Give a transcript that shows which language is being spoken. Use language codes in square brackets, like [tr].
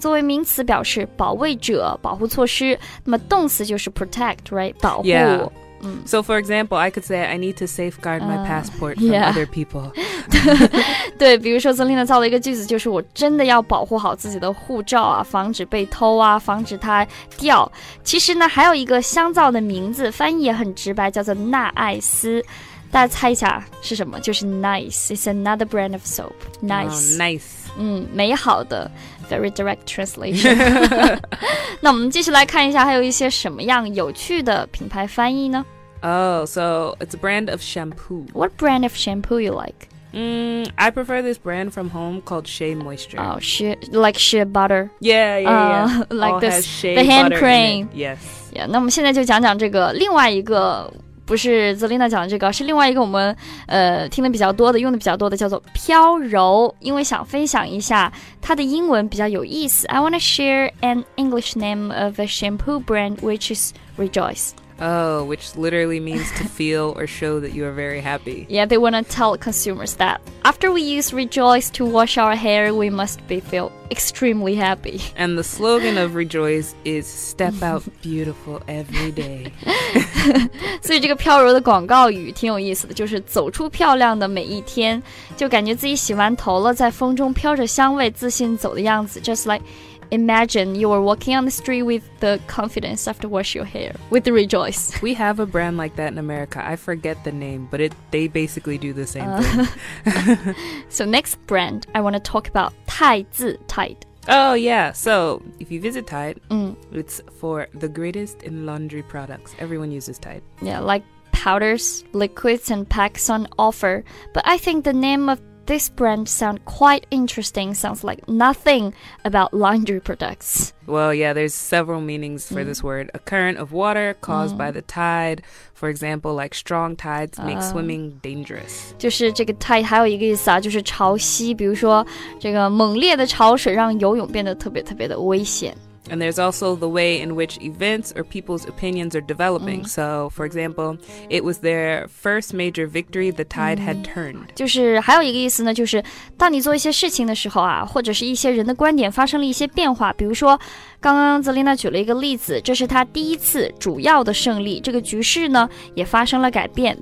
[zh] 作为名词表示保卫者，保护措施。那么动词就是 protect, [en] right? [zh] 保护。 [en] Yeah. So for example, I could say I need to safeguard my passport from other people. [zh] 对，比如说 Zelina 造了一个句子，就是我真的要保护好自己的护照啊，防止被偷啊，防止它掉。其实呢，还有一个香皂的名字，翻译也很直白，叫做纳艾斯。大家猜一下是什么？就是 [en] Nice. It's another brand of soap. Nice. Nice. [zh] 美好的。 [en] Very direct translation. [zh] 那我们继续来看一下还有一些什么样有趣的品牌翻译呢？ [en] Oh, so it's a brand of shampoo. What brand of shampoo you like? I prefer this brand from home called Shea Moisture. Oh, like shea butter. Yeah. Like this, the hand cream. Yes. Yeah, [zh] 那我们现在就讲讲这个另外一个不是 Zelina 讲的这个，是另外一个我们听的比较多的，用的比较多的，叫做飘柔。因为想分享一下它的英文比较有意思。 [en] I want to share an English name of a shampoo brand, which is Rejoice. Oh, which literally means to feel or show that you are very happy. Yeah, they want to tell consumers that after we use Rejoice to wash our hair, we must feel extremely happy. And the slogan of Rejoice is step out beautiful every day. [zh] 所以这个飘柔的广告语挺有意思的，就是走出漂亮的每一天，就感觉自己洗完头了，在风中飘着香味，自信走的样子。 [en] Just like imagine you are walking on the street with the confidence after wash your hair with the Rejoice. We have a brand like that in America. I forget the name, but they basically do the same thing. So next brand I want to talk about, Tide. Tide. Oh yeah, so if you visit Tide, it's for the greatest in laundry products. Everyone uses Tide. Yeah, like powders, liquids, and packs on offer. But I think the name of This brand sounds quite interesting. Sounds like nothing about laundry products. Well, yeah, there's several meanings for this word. A current of water caused by the tide. For example, like strong tides make swimming dangerous. [zh] 就是这个 tide 还有一个意思啊，就是潮汐。比如说这个猛烈的潮水让游泳变得特别特别的危险。 [en] And there's also the way in which events or people's opinions are developing. So, for example, it was their first major victory, the tide had turned. [zh] 就是还有一个意思呢，就是当你做一些事情的时候啊，或者是一些人的观点发生了一些变化。比如说，刚刚泽琳娜举了一个例子，这是她第一次主要的胜利，这个局势呢，也发生了改变。